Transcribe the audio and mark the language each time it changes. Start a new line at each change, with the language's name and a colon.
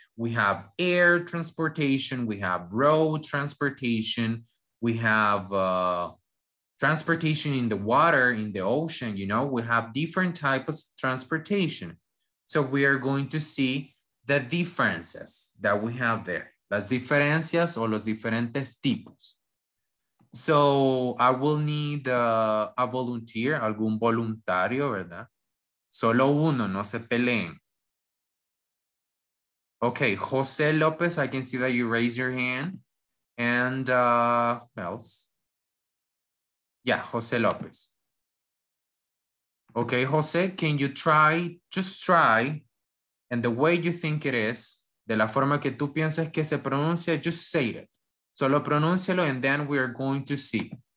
English: We have air transportation, we have road transportation, we have transportation in the water, in the ocean, you know, we have different types of transportation. So we are going to see the differences that we have there.
Spanish: Las diferencias o los diferentes tipos.
English: So I will need a volunteer,
Spanish: algún voluntario, ¿verdad? Solo uno, no se peleen.
English: Okay, Jose Lopez, I can see that you raise your hand. And who else? Yeah, Jose Lopez. Okay, Jose, can you try, just try, and the way you think it is,
Spanish: de la forma que tú piensas que se pronuncia,
English: just say it.
Spanish: Solo pronúncialo,
English: and then we are going to see.